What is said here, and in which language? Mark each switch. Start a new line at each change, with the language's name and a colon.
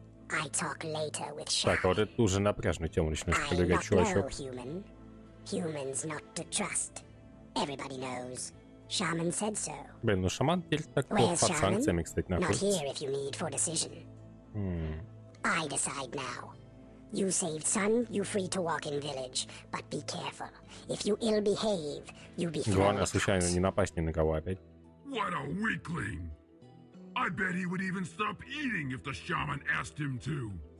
English: I talk later with Shy.
Russian: Так, вот это уже напряжную тему начинаешь продвигать, чувачок.
English: Human. Humans not to trust. Everybody knows. Shaman said so.
Russian: Блин, ну шаман теперь так под
English: shaman?
Russian: Санкциями, кстати, находится.
English: Not here if you need for decision. I decide now. You saved son, you free to walk in village. But be careful. If you ill behave, you be thrown out.
Russian: Главное, случайно не напасть ни на кого опять.
English: What a weakling! I bet he would even stop eating if the shaman asked him to.